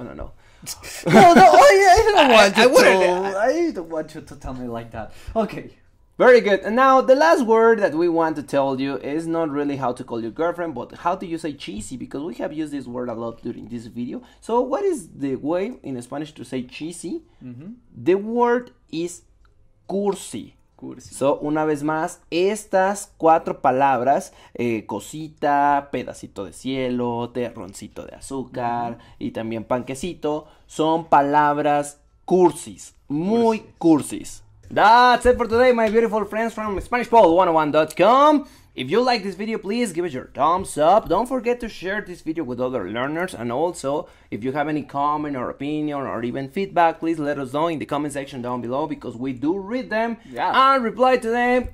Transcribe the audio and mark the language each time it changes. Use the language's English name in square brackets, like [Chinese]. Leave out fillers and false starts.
[English] I don't want you to tell me like that. Okay. Very good. Now, the last word that we want to tell you is not really how to call your girlfriend, but how do you say cheesy? Because we have used this word a lot during this video. So, what is the way in Spanish to say cheesy? Mm-hmm. The word is cursi. [Spanish] Cursi. So, una vez más, estas cuatro palabras, cosita, pedacito de cielo, terroncito de azúcar, mm-hmm. y también panquecito, son palabras cursis, muy cursis. [English] That's it for today, my beautiful friends from SpanishPod101.com. If you like this video, please give it your thumbs up. Don't forget to share this video with other learners. And also, if you have any comment or opinion or even feedback, please let us know in the comment section down below, because we do read them and reply to them.